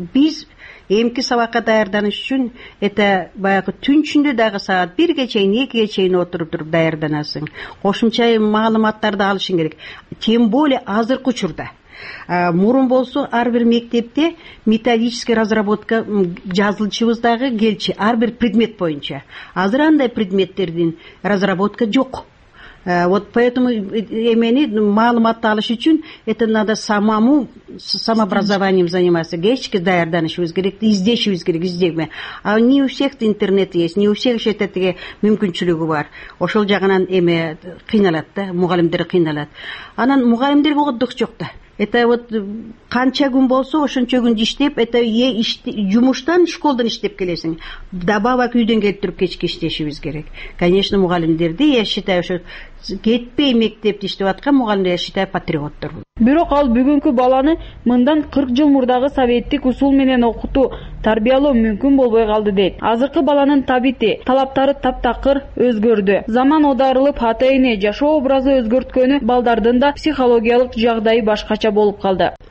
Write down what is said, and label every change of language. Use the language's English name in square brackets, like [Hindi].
[Kyrgyz] Биз эмки сабакка даярданыш үчүн это баягы түн ичинде дагы саат 1ге чейин 2ге чейин отуруп туруп даярданасың. Кошумча маалыматтарды алышың керек. Тем более азыркы учурда. Мурун болсо ар бир мектепте методический разработка жазылчубуз дагы келчи ар бир предмет боюнча. Азыр андай предметтердин разработка жок. [Russian] Вот поэтому эмени маалыматты алыш үчүн это надо самому самообразованием заниматься. Кечке даярданышыбыз керек, издешибиз керек, издегме. А не у всех интернет есть, не у всех еще тетиги мүмкүнчүлүгү бар. [Kyrgyz] Ошол жагынан эме кыйналат да, мугалимдер кыйналат. Анан мугалимдерге оддук жок да. Это вот канча күн болсо ошончо күн иштеп, это жумуштан школдон иштеп келесиң. Добавок үйдөн келип туруп кечке иштешибиз керек. Конечно, мугалимдерди я считаю, что кетпей мектепти иштеп аткан мугалимдер я считаю патриоттор. Бирок ал бүгүнкү баланы мындан 40 жыл мурдагы советтик усул менен окутуу, тарбиялоо мүмкүн болбой калды дейт. Азыркы баланын табити, талаптары таптакыр өзгөрдү. Заман одарылып, ата-эне жашоо образы өзгөрткөнү балдардын да психологиялык жагдайы башкача болуп калды.